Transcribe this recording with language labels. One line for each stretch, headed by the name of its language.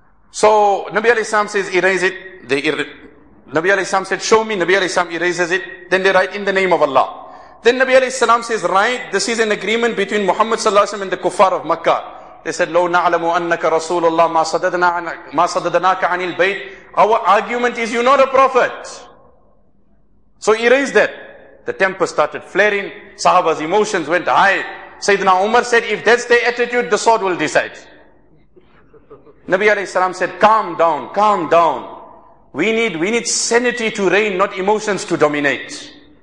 English: So Nabi alayhi salam says, erase it. Nabi alayhi salam said, show me. Nabi alayhi salam erases it. Then they write in the name of Allah. Then Nabi alayhi salam says, right, this is an agreement between Muhammad sallallahu alayhi wa sallam and the kuffar of Makkah. They said,
Arabic: لو نعلم أنك رسول الله ما صددناك عن البيت.
English: Our argument is, you're not a prophet. So he raised that. The temper started flaring. Sahaba's emotions went high. Sayyidina Umar said, if that's their attitude, the sword will decide. Nabi alayhi salam said, calm down, calm down. We need sanity to reign, not emotions to dominate.